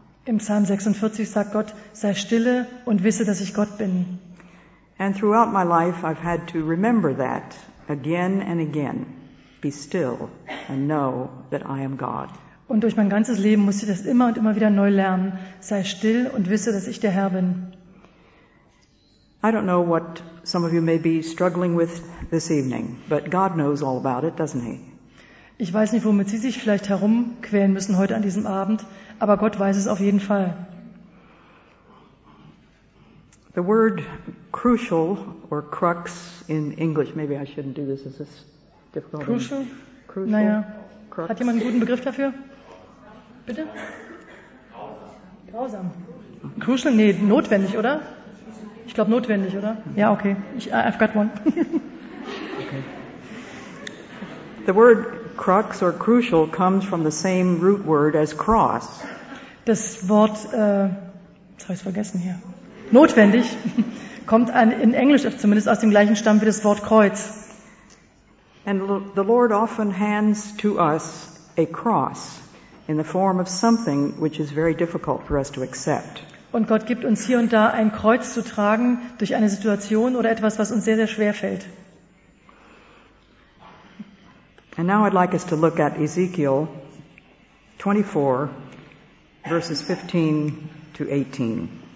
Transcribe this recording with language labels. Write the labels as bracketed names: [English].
[German] Im Psalm 46 sagt Gott, sei stille und wisse, dass ich Gott bin. [English] And throughout my life, I've had to remember that again and again. Be still and know that I am God. [German] Und durch mein ganzes Leben musste ich das immer und immer wieder neu lernen. Sei still und wisse, dass ich der Herr bin. [English] I don't know what some of you may be struggling with this evening, but God knows all about it, doesn't he? [German] Ich weiß nicht, womit Sie sich vielleicht herumquälen müssen heute an diesem Abend, aber Gott weiß es auf jeden Fall. [English] The word crucial or crux in English, maybe I shouldn't do this, is this difficult? [German] Crucial? Crucial? Naja. Crux. Hat jemand einen guten Begriff dafür? Bitte? Grausam. Crucial? Nee, notwendig, oder? Ich glaube, notwendig, oder? Ja, okay. [English] I've got one. Okay. The word crux or crucial comes from the same root word as cross. [German] Das Wort, jetzt habe ich es vergessen hier. Notwendig kommt in Englisch zumindest aus dem gleichen Stamm wie das Wort Kreuz. [English] And the Lord often hands to us a cross in the form of something which is very difficult for us to accept. [German] Und Gott gibt uns hier und da ein Kreuz zu tragen durch eine Situation oder etwas, was uns sehr, sehr schwer fällt. [English] And now I'd like us to look at Ezekiel 24, verses 15 to 18.